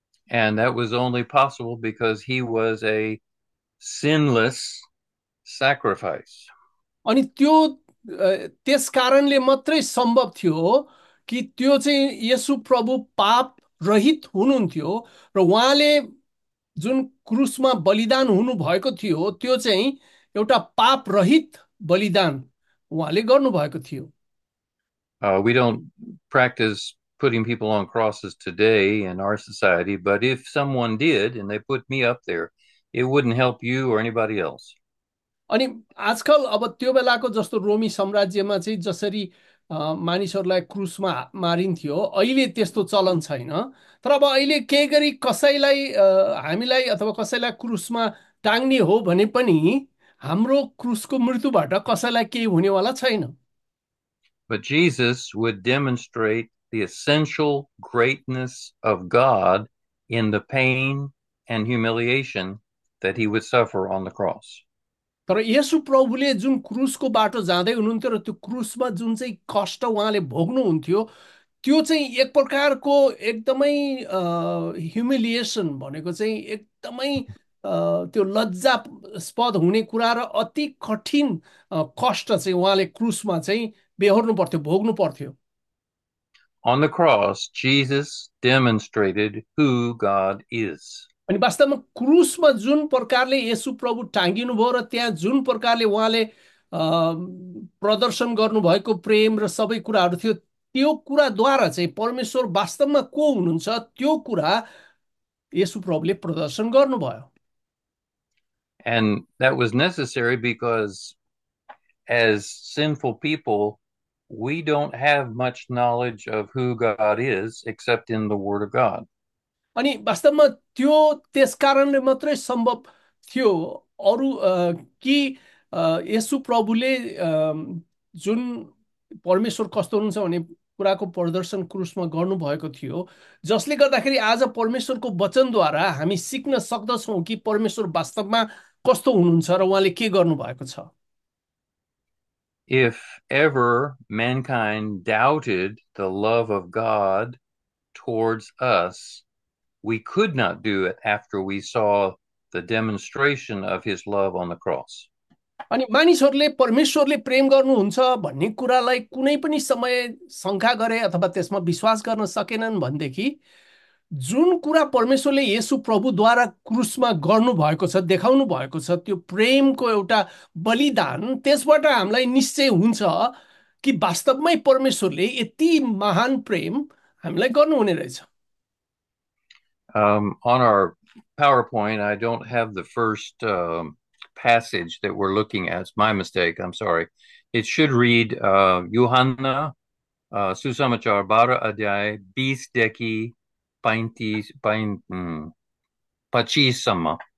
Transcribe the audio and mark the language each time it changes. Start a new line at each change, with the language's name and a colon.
English: And that was only possible because he was a sinless sacrifice.
Nepali: अनि त्यो त्यस कारणले मात्रै सम्भव थियो कि त्यो चाहिँ येशु प्रभु पाप रहित हुनुहुन्थ्यो र उहाँले जुन क्रुसमा बलिदान हुनुभएको थियो त्यो चाहिँ एउटा पाप रहित बलिदान उहाँले गर्नुभएको थियो।
English: We don't practice putting people on crosses today in our society, but if someone did and they put me up there, it wouldn't help you or anybody else.
Nepali: अनि आजकल अब त्यो बेलाको जस्तो रोमी साम्राज्यमा चाहिँ जसरी मानिसहरूलाई क्रुसमा मारिन्थ्यो अहिले त्यस्तो चलन छैन तर अब अहिले केही गरी कसैलाई हामीलाई अथवा कसैलाई क्रुसमा टाङ्ने हो भने पनि हाम्रो क्रुसको मृत्युबाट कसैलाई केही हुनेवाला छैन।
English: But Jesus would demonstrate the essential greatness of God in the pain and humiliation that he would suffer on the cross.
Nepali: तर येशु प्रभुले जुन क्रुसको बाटो जाँदै हुनुहुन्थ्यो र त्यो क्रुसमा जुन चाहिँ कष्ट उहाँले भोग्नुहुन्थ्यो त्यो चाहिँ एक प्रकारको एकदमै ह्युमिलिएसन भनेको चाहिँ एकदमै त्यो लज्जास्पद हुने कुरा र अति कठिन कष्ट चाहिँ उहाँले क्रुसमा चाहिँ बेहोर्नु पर्थ्यो, भोग्नु पर्थ्यो।
English: On the cross, Jesus demonstrated who God is.
Nepali: अनि वास्तवमा क्रुसमा जुन प्रकारले येशु प्रभु टाँगिनु भयो र त्यहाँ जुन प्रकारले उहाँले प्रदर्शन गर्नुभएको प्रेम र सबै कुराहरू थियो त्यो कुराद्वारा चाहिँ परमेश्वर वास्तवमा को हुनुहुन्छ त्यो कुरा येशु प्रभुले प्रदर्शन गर्नुभयो।
English: And that was necessary because, as sinful people, we don't have much knowledge of who God is except in the Word of God.
Nepali: अनि वास्तवमा त्यो त्यसकारणले मात्रै सम्भव थियो अरू कि येशु प्रभुले जुन परमेश्वर कस्तो हुनुहुन्छ भन्ने कुराको प्रदर्शन क्रुसमा गर्नुभएको थियो जसले गर्दाखेरि आज परमेश्वरको वचनद्वारा हामी सिक्न सक्दछौँ कि परमेश्वर वास्तवमा कस्तो हुनुहुन्छ र उहाँले के गर्नुभएको छ।
English: If ever mankind doubted the love of God towards us, we could not do it after we saw the demonstration of his love on the cross.
Nepali: अनि मानिसहरूले परमेश्वरले प्रेम गर्नुहुन्छ भन्ने कुरालाई कुनै पनि समय शङ्का गरे अथवा त्यसमा विश्वास गर्न सकेनन् भनेदेखि जुन कुरा परमेश्वरले येशु प्रभुद्वारा क्रुसमा गर्नुभएको छ, देखाउनु भएको छ, त्यो प्रेमको एउटा बलिदान, त्यसबाट हामीलाई निश्चय हुन्छ कि वास्तवमै परमेश्वरले यति महान प्रेम हामीलाई गर्नुहुने रहेछ।
English: On our PowerPoint, I don't have the first passage that we're looking at. It's my mistake. I'm sorry. It should read
Nepali: Yohanna Susamachar Bara Adyay Bis Deki Painti Pachisama.